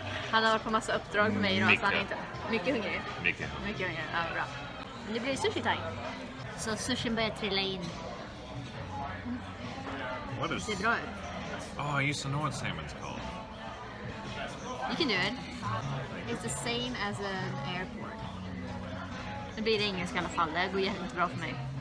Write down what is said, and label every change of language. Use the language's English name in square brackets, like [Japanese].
[Swedish] Han har varit på massa uppdrag för mig idag, så han är inte... Mycket hungrig. Mycket hungrig, ja bra. Men det blir [English] sushi time. [Swedish] Så sushin börjar trilla in. [English] What is... [Swedish] Det ser bra ut. [English] Oh, I used to know what salmon's called. You can do it. It's the same as an airport. [Swedish] Nu blir det engelska i alla fall, det går jättebra för mig.